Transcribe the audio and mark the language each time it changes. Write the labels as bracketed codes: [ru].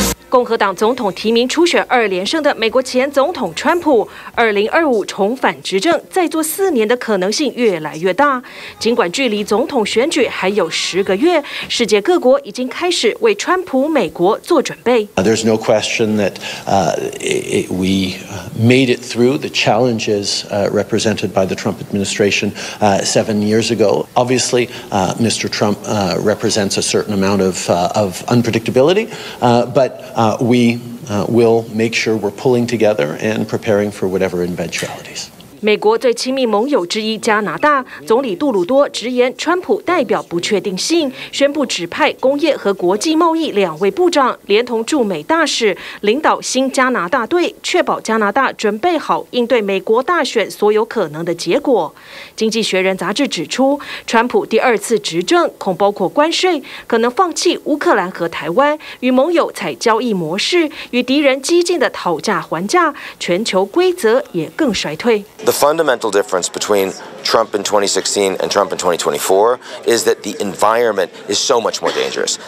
[zh] 共和党总统提名初选2连胜的美国前总统川普，2025重返执政，再做4年的可能性越来越大。尽管距离总统选举还有10个月，世界各国已经开始为川普美国做准备。 [en] There's no question that we made it through the challenges represented by the Trump administration 7 years ago. Obviously, Mr. Trump represents a certain amount of unpredictability, but we will make sure we're pulling together and preparing for whatever eventualities. [zh] 美国最亲密盟友之一加拿大总理杜鲁多直言，川普代表不确定性，宣布指派工业和国际贸易2位部长，连同驻美大使领导新加拿大队，确保加拿大准备好应对美国大选所有可能的结果。经济学人杂志指出，川普第二次执政恐包括关税，可能放弃乌克兰和台湾，与盟友采交易模式，与敌人激进的讨价还价，全球规则也更衰退。 [en] The fundamental difference between Trump in 2016 and Trump in 2024 is that the environment is so much more dangerous.